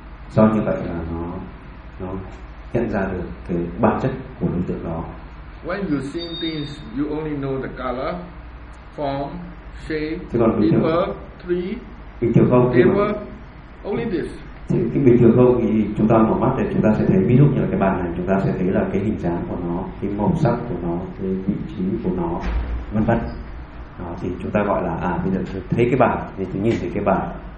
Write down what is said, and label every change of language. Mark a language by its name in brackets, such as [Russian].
[Vietnamese] Do như vậy là nó nhận ra được cái bản chất của đối tượng đó. [English] When you see things, you only know the color, form, shape, paper, tree. [Vietnamese] Bình thường không? [English] Paper, only this. [Vietnamese] Thì bình thường không thì chúng ta mở mắt thì chúng ta sẽ thấy, ví dụ như là cái bàn này, chúng ta sẽ thấy là cái hình dáng của nó, cái màu sắc của nó, cái vị trí của nó, vân vân. Đó, thì chúng ta gọi là bây giờ thấy cái bàn thì chúng nhìn thấy cái bàn.